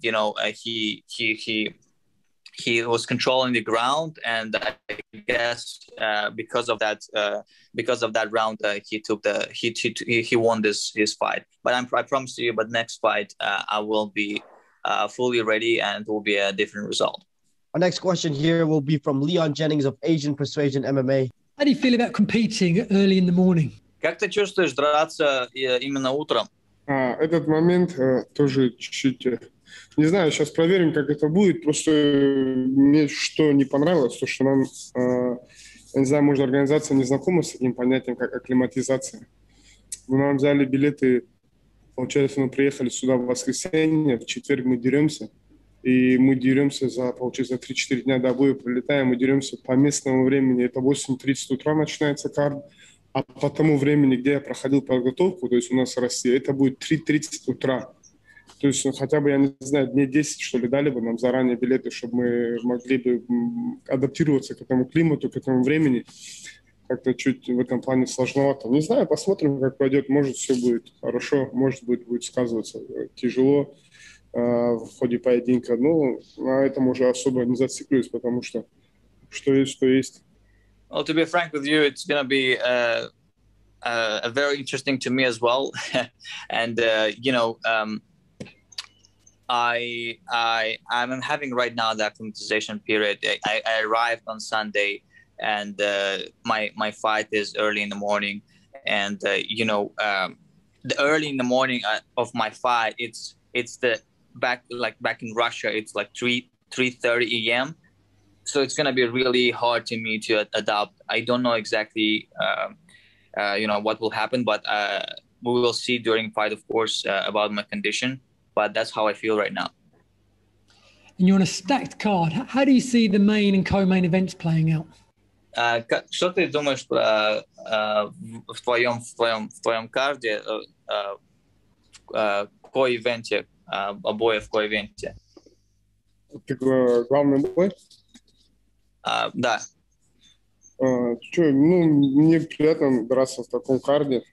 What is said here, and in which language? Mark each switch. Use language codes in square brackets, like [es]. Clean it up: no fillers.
[en] You know, he was controlling the ground, and I guess because of that round, he won his fight. But I promise you, but next fight I will be fully ready, and it will be a different result. Our next question here will be from Leon Jennings of Asian Persuasion MMA. How do you feel about competing early in the morning? [ru] Как ты чувствуешь драться именно утром? Этот момент тоже чуть-чуть. Не знаю, сейчас проверим, как это будет. Просто мне что не понравилось, то, что нам, я не знаю, может, организация не знакома с этим понятием, как акклиматизация. Мы нам взяли билеты, получается, мы приехали сюда в воскресенье, в четверг мы деремся. И мы деремся за, получается, 3-4 дня до боя прилетаем, мы деремся по местному времени. Это 8:30 утра начинается кард. А по тому времени, где я проходил подготовку, то есть у нас в России, это будет 3:30 утра. То есть, ну, хотя бы, я не знаю, дней 10, что ли, дали бы нам заранее билеты, чтобы мы могли бы адаптироваться к этому климату, к этому времени. Как-то чуть в этом плане сложновато. Не знаю, посмотрим, как пойдет. Может, все будет хорошо, может, будет сказываться тяжело в ходе поединка. Ну, на этом уже особо не зацикливаюсь, потому что что есть, то есть. [en] Well, to be frank with you, it's going to be very interesting to me as well. And, you know, I'm having right now the acclimatization period. I arrived on Sunday, and my fight is early in the morning. And, you know, the early in the morning of my fight, it's the back in Russia, it's like 3:30 a.m., so it's going to be really hard to me to adapt. I don't know exactly, you know, what will happen, but we will see during fight, of course, about my condition. But that's how I feel right now. And you're on a stacked card. How do you see the main and co-main events playing out? [ru] Что ты думаешь в твоем карде, ко-ивенте, обоев ко-ивенте? Главный бой? Да. Что, ну, мне приятно драться в таком карде.